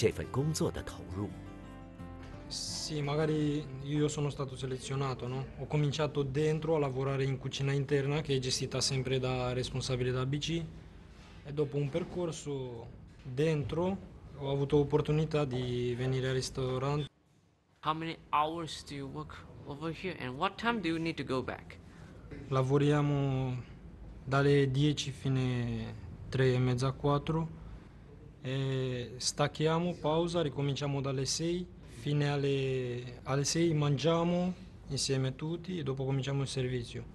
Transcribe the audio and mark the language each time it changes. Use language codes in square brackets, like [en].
[zh] 餐厅的另一位员工叫史蒂芬，除了点菜、招呼客人之外，他也包办了餐厅大大小小的各种任务。史蒂芬工作十分勤快，无论是干粗活还是整理货品，他都一丝不苟，看得出他对这份工作的投入。 [it] Sì, magari io sono stato selezionato, no? Ho cominciato dentro a lavorare in cucina interna che è gestita sempre da responsabile da BC. E dopo un percorso dentro ho avuto l'opportunità di venire al ristorante. [en] How many hours do you work over here and what time do you need to go back? [it] Lavoriamo dalle 10 fino alle 3:30-4 e stacchiamo, pausa, ricominciamo dalle 6 fino alle 6, mangiamo insieme a tutti e dopo cominciamo il servizio.